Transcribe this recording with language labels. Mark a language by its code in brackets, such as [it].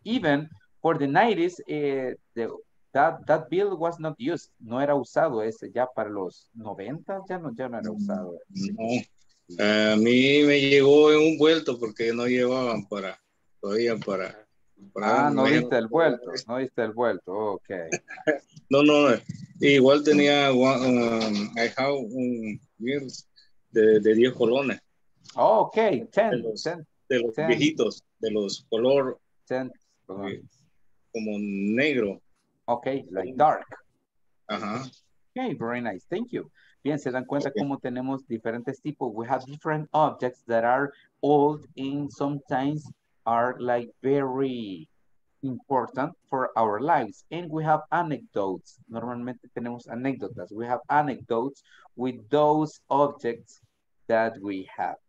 [en] Even for the 90s, that bill was not used. [es] No era usado ese ya para los 90, ya no era usado. No. A mí me llegó en un vuelto porque no llevaban para, todavía para. No diste el vuelto, no diste el vuelto, ok. No, igual tenía, [en] I have [es] un bills de 10 colones. [en] Oh, ok, 10. [es] De los viejitos, de los color. 10. Como negro. [en] Ok, like dark. [es] Ajá. [en] Ok, very nice, thank you. [es] Bien, se dan cuenta cómo tenemos diferentes tipos. [en] We have different objects that are old in sometimes are like very important for our lives. And we have anecdotes. [es] Normalmente tenemos anécdotas. [en] We have anecdotes with those objects that we have.